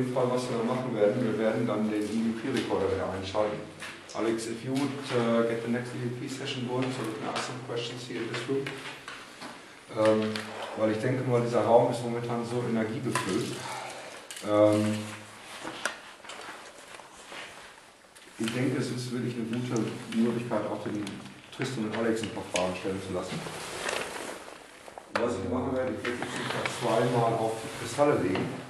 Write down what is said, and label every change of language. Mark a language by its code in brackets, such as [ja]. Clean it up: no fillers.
[de] Was wir machen werden, wir werden dann den EVP-Recorder wieder einschalten. [en] Alex, if you would get the next EVP-Session going, so we can ask some questions here in this room. [de] Weil ich denke mal, dieser Raum ist momentan so energiegefüllt. Ich denke, es ist wirklich eine gute Möglichkeit, auch den Tristan und Alex ein paar Fragen stellen zu lassen. Was ich machen werde, ich werde mich zweimal auf die Kristalle legen.